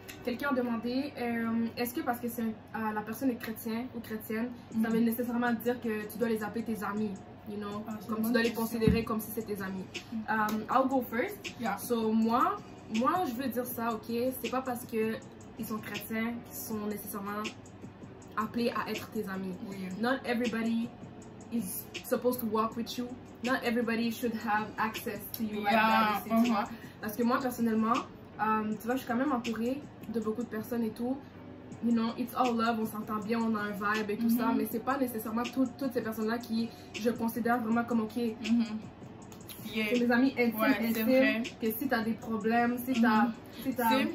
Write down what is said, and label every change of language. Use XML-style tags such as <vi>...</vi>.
<fr>Quelqu'un a demandé, est-ce que parce que c'est, la personne est chrétien ou chrétienne, ça veut nécessairement dire que tu dois les appeler tes amis,</fr> <en>you know?</en> <fr>Comme tu dois les considérer comme si c'était tes amis.</fr> <en>I'll go first. Yeah.</en> <fr>So, moi, je veux dire ça, ok? C'est pas parce qu'ils sont chrétiens qu'ils sont nécessairement appelés à être tes amis. Oui.</fr> <en>Not everybody is supposed to walk with you. Not everybody should have access to you like that. Yeah, uh-huh.</en> <fr>Parce que moi personnellement, tu vois, je suis quand même entourée de beaucoup de personnes et tout.</fr> <en>You know, it's all love,</en> <fr>on s'entend bien, on a un vibe et tout ça, mais c'est pas nécessairement toutes ces personnes-là qui je considère vraiment comme ok.</fr> <en>Yeah.</en> <fr>Mes amis intimes, ouais, c'est vrai. Que si t'as des problèmes, si t'as...</fr>